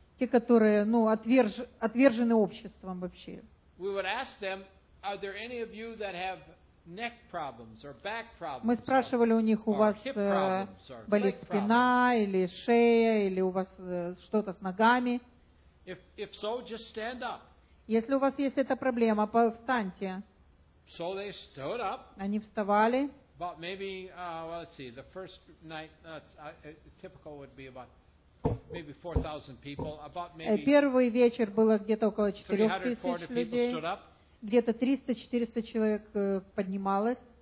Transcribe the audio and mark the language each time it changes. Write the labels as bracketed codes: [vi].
[ru] Те, которые, ну, отвержены обществом вообще. [en] we would ask them, are there any of you that have neck problems or back problems? [ru] Мы спрашивали у них, у вас болит спина или шея, или у вас что-то с ногами? [en] If so, just stand up. [ru] Если у вас есть эта проблема, повстаньте. [en] So they stood up. [ru] Они вставали. [en] But maybe, let's see, the first night, typical would be about maybe 4,000 people. About maybe. [ru] Первый вечер было где-то около 4,000 людей. Где-то 300-400 человек поднималось.